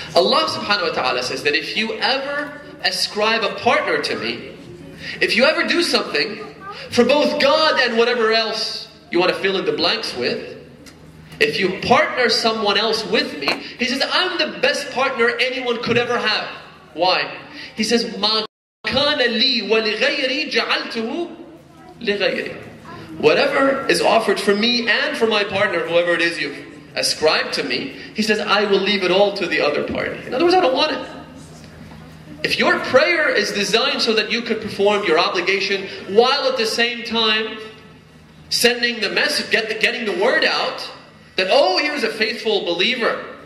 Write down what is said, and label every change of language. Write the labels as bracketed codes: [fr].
[en] Allah subhanahu wa ta'ala says that if you ever ascribe a partner to me, if you ever do something for both God and whatever else you want to fill in the blanks with, if you partner someone else with me, he says, I'm the best partner anyone could ever have. Why? [ar] He says, مَا كَانَ لِي وَلِغَيْرِي جَعَلْتُهُ لِغَيْرِي. [en] Whatever is offered for me and for my partner, whoever it is you ascribe to me, he says, I will leave it all to the other party. In other words, I don't want it. If your prayer is designed so that you could perform your obligation while at the same time sending the message, getting the word out, that, oh, here's a faithful believer.